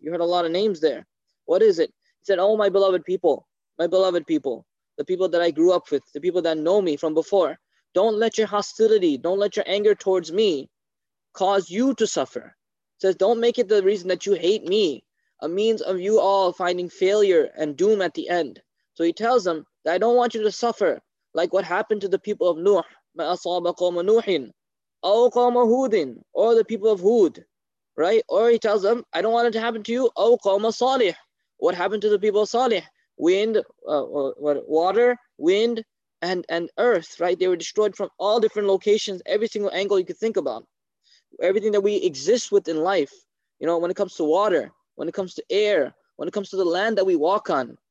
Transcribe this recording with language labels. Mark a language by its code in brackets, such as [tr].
[en] You heard a lot of names there. What is it? He said, oh, my beloved people, the people that I grew up with, the people that know me from before, don't let your hostility, don't let your anger towards me cause you to suffer. He says, don't make it the reason that you hate me, a means of you all finding failure and doom at the end. So he tells them that I don't want you to suffer like what happened to the people of Nuh. [ar] مَا أَصَابَ قَوْمَ نُوحٍ أَوْ قَوْمَ هُودٍ, [en] or the people of Hud, right? Or he tells them, I don't want it to happen to you. [ar] أَوْ قَوْمَ صَالِحٍ, [en] what happened to the people of Salih? Wind, water, wind, and earth, right? They were destroyed from all different locations, every single angle you could think about. Everything that we exist with in life, you know, when it comes to water, when it comes to air, when it comes to the land that we walk on.